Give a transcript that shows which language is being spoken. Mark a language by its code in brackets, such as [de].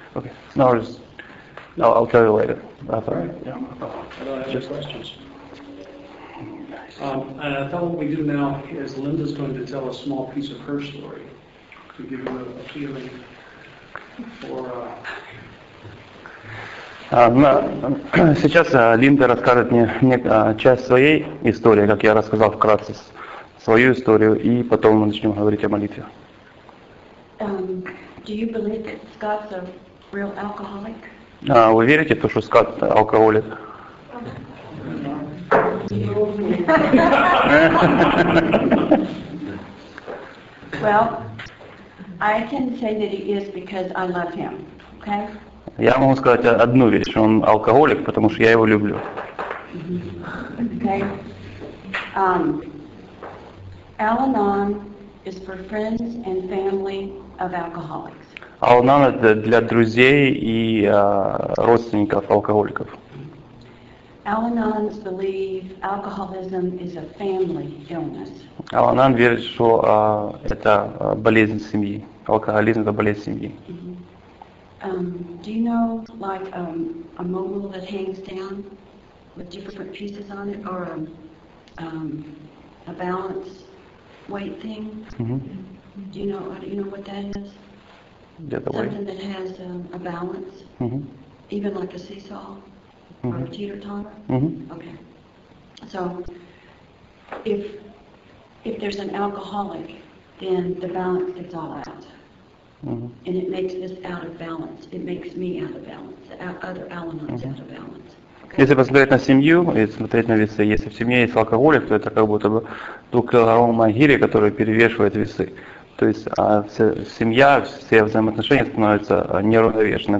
[en] Okay. No, I'll tell you later. All right. Yeah. I don't have any questions. And I thought what we do now is Linda's going to tell a small piece of her story to give you a feeling for. [ru] Сейчас Линда расскажет мне часть своей истории, как я рассказал вкратце свою историю, и потом мы начнем говорить о молитве. [en] Do you believe that Scott's a real alcoholic? [ru] Вы верите, что Скотт алкоголик? [en] Well, I can say that he is because I love him. Okay? [ru] Я могу сказать одну вещь, он алкоголик, потому что я его люблю. [en] Okay. Al-Anon is for friends and family of alcoholics. [ru] Al-Anon это для друзей и родственников алкоголиков. [en] Al-Anons believe alcoholism is a family illness. [ru] Al-Anon верит, что это болезнь семьи. Алкоголизм это болезнь семьи. [en] Do you know like a mobile that hangs down with different pieces on it or a balance weight thing? Mm-hmm. Do you know what that is? Something way. That has a balance? Mm-hmm. Even like a seesaw? Mm-hmm. Or a teeter-totter? Mm-hmm. Okay. So, if there's an alcoholic, then the balance gets all out. Mm-hmm. And it makes this out of balance. It makes me out of balance. The other Al-Anons mm-hmm. out of balance. [ru] Если посмотреть на семью и смотреть на весы, если в семье есть алкоголик, то это как будто бы двухкилограммовая могила, которая перевешивает весы. То есть семья, все взаимоотношения становятся неравновешены.